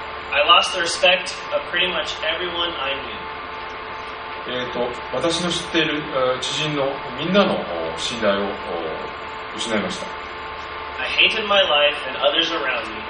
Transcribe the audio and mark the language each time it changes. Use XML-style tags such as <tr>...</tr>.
<en>I lost the respect of pretty much everyone I knew.</en> <ja>私の知っている知人のみんなの信頼を失いました。</ja> <en>I hated my life and others around me.</en>